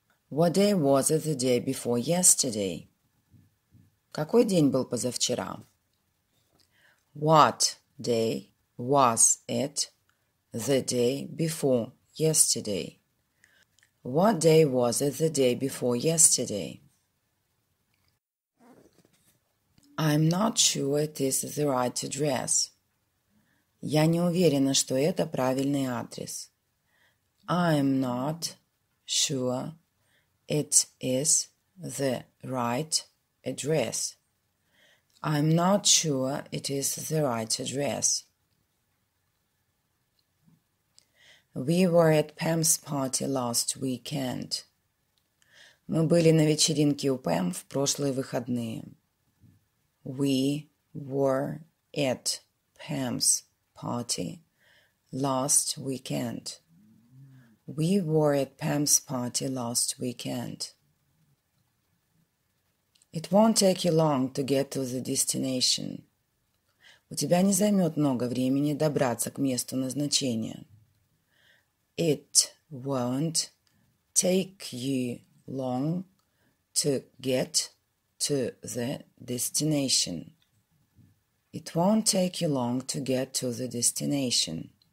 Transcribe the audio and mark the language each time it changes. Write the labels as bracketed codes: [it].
[en] What day was it the day before yesterday? [ru] Какой день был позавчера? [en] What day was it the day before yesterday? What day was it the day before yesterday? I'm not sure it is the right address. [ru] Я не уверена, что это правильный адрес. [en] I'm not sure it is the right address. I'm not sure it is the right address. We were at Pam's party last weekend. [ru] Мы были на вечеринке у Пэм в прошлые выходные. [en] We were at Pam's party last weekend. We were at Pam's party last weekend. It won't take you long to get to the destination. [ru] У тебя не займет много времени добраться к месту назначения. [en] It won't take you long to get to the destination. It won't take you long to get to the destination.